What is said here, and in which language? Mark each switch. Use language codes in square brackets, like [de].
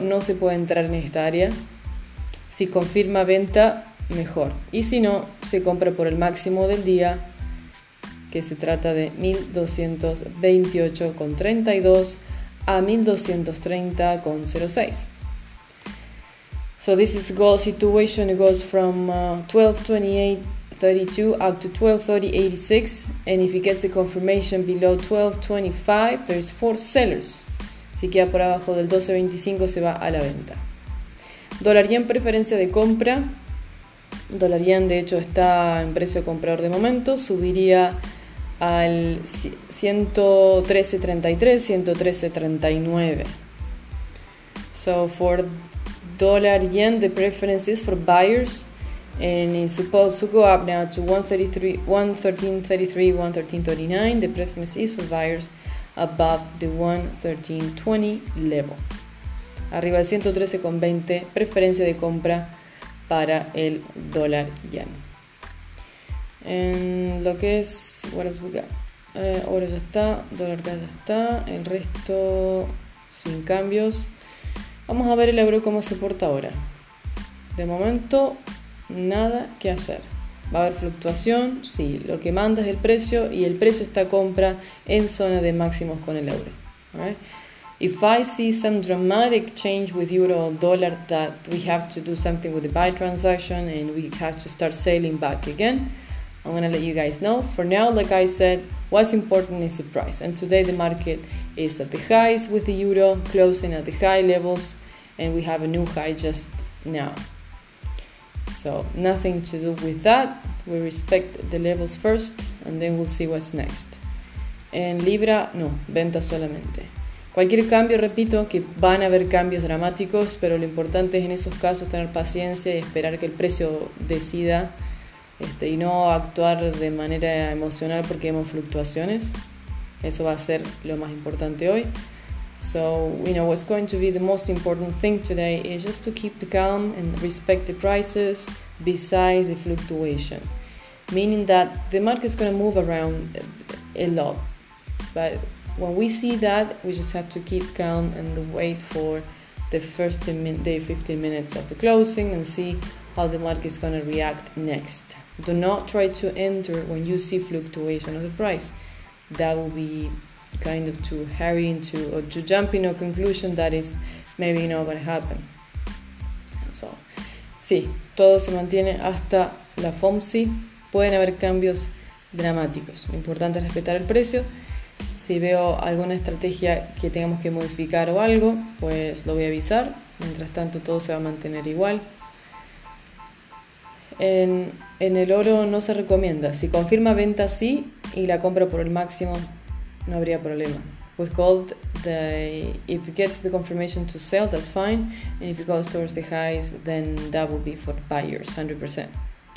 [es] No se puede entrar en esta área. Si confirma venta, mejor. Y si no, se compra por el máximo del día, que se trata de 1228.32 a 1230.06. [en] So this is goal situation. It goes from 12:28:32 up to 12:30:86, and if he gets the confirmation below 12:25, there is four sellers. [es] Si queda por abajo del 12:25, se va a la venta. Dólar yen preferencia de compra. Dólar yen de hecho está en precio comprador de momento. Subiría al 113.33, 113.39. [en] So for dollar yen, the preference is for buyers, and it's supposed to go up now to 113.33, 113.39. The preference is for buyers above the 113.20 level. [es] Arriba de 113.20, preferencia de compra para el dólar yen. And lo que es, [en] what else we got? [es] Oro ya está, dólar gas ya está, el resto sin cambios. Vamos a ver el euro cómo se porta ahora. De momento, nada que hacer. ¿Va a haber fluctuación? Sí, lo que manda es el precio y el precio está compra en zona de máximos con el euro. [en] Right? If I see some dramatic change with euro or dollar that we have to do something with the buy transaction and we have to start selling back again, I'm going to let you guys know. For now, like I said, what's important is the price. And today the market is at the highs with the euro, closing at the high levels, and we have a new high just now. So nothing to do with that. We respect the levels first, and then we'll see what's next. [es] En Libra, no, venta solamente. Cualquier cambio, repito, que van a haber cambios dramáticos, pero lo importante es en esos casos tener paciencia y esperar que el precio decida. Y no actuar de manera emocional porque vemos fluctuaciones. Eso va a ser lo más importante hoy. [en] So, you know, what's going to be the most important thing today is just to keep the calm and respect the prices besides the fluctuation. Meaning that the market is going to move around a lot. But when we see that, we just have to keep calm and wait for the first day 15 minutes of the closing and see how the market is going to react next. Do not try to enter when you see fluctuation of the price. That will be kind of too hurry into or to jump in a conclusion that is maybe not going to happen. [es] So, sí, todo se mantiene hasta la FOMC. Pueden haber cambios dramáticos. Lo importante es respetar el precio. Si veo alguna estrategia que tengamos que modificar o algo, pues lo voy a avisar. Mientras tanto, todo se va a mantener igual. En el oro no se recomienda. Si confirma venta, sí, y la compra por el máximo, no habría problema. [en] With gold, if you get the confirmation to sell, that's fine. And if it goes towards the highs, then that would be for buyers, 100%.